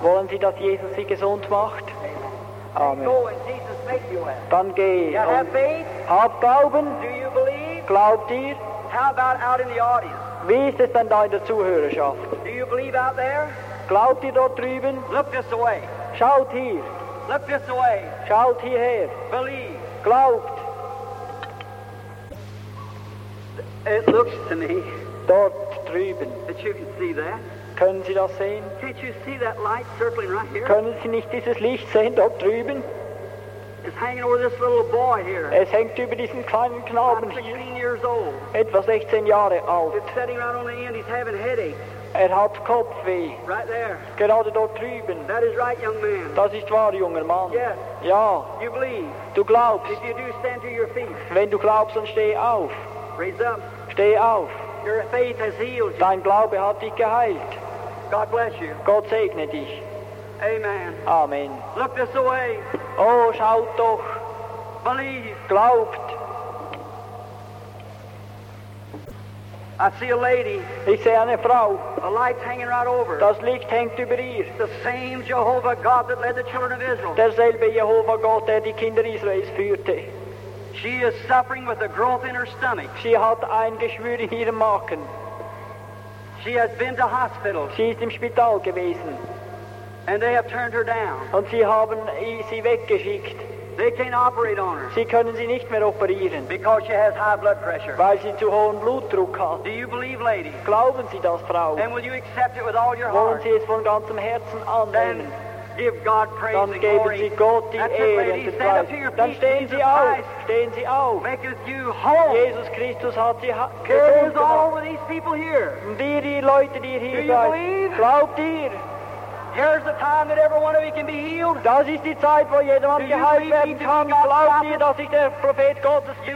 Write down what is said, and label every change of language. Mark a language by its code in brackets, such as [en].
[de] Wollen Sie, dass Jesus Sie gesund macht? [en] Amen. Go and Jesus make you well. [de] Dann geh. [en] You have faith? [de] Hab Glauben. [en] Do you believe? [de] Glaubt ihr? [en] How about out in the audience? [de] Wie ist es denn da in der Zuhörerschaft? [en] Do you believe out there? [de] Glaubt ihr dort drüben? [en] Look this way. [de] Schaut hier. [en] Look this way. [de] Schaut hierher. [en] Believe. [de] Glaubt. [en] It looks to me. [de] Dort drüben. [en] That you can see that. [de] Können Sie das sehen? [en] Can't you see that light circling right here? [de] Können Sie nicht dieses Licht sehen dort drüben? [en] It's hanging over this little boy here. [de] Es hängt über diesen kleinen Knaben hier. Etwa 16 Jahre alt. [en] It's sitting right on the end. He's having headaches. [de] Er hat Kopfweh. [en] Right there. [de] Gerade dort drüben. [en] That is right, young man. [de] Das ist wahr, junger Mann. [en] Yes. [de] Ja. [en] You believe. [de] Du glaubst. [en] If you do, stand to your feet. [de] Wenn du glaubst, dann steh auf. [en] Raise up. [de] Steh auf. [en] Your faith has healed you. [de] Dein Glaube hat dich geheilt. [en] God bless you. [de] Gott segne dich. [en] Amen. [de] Amen. [en] Look this way. [de] Oh, schaut doch. [en] Believe. [de] Glaubt. [en] I see a lady. [de] Ich sehe eine Frau. [en] The light's hanging right over. [de] Das Licht hängt über ihr. [en] The same Jehovah God that led the children of Israel. [de] Derselbe Jehovah Gott, der die Kinder Israels führte. [en] She is suffering with a growth in her stomach. [de] Sie hat ein Geschwür in ihrem Magen. [en] She has been to hospital. [de] Sie ist im Spital gewesen. [en] And they have turned her down. [de] Und sie haben sie weggeschickt. [en] They can't operate on her. [de] Sie können sie nicht mehr operieren. [en] Because she has high blood pressure. [de] Weil sie zu hohen Blutdruck hat. [en] Do you believe, lady? [de] Glauben Sie das, Frau? [en] And will you accept it with all your heart? [de] Wollen Sie es von ganzem Herzen annehmen? [en] Then give God praise and glory. [de] Dann geben Sie Gott die Ehre und den Preis. Dann stehen Sie auf. Stehen Sie auf. [en] Maketh you whole. [de] Jesus Christus hat Sie gesund gemacht. Und ihr, die Leute, die hier seid, glaubt ihr? [en] Here's the time that every one of you can be healed. [de] Das ist die Zeit, wo jedermann geheilt werden kann. Glaubt ihr, dass ich der Prophet Gottes bin?